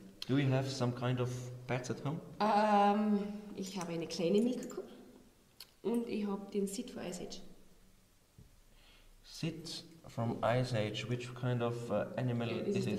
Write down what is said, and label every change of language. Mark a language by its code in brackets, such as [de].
[en] Do you have some kind of pets at home? [de] Ich habe eine kleine Milchkuh und ich habe den Sid von Ice Age. [en] Sid from Ice Age, which kind of animal is it?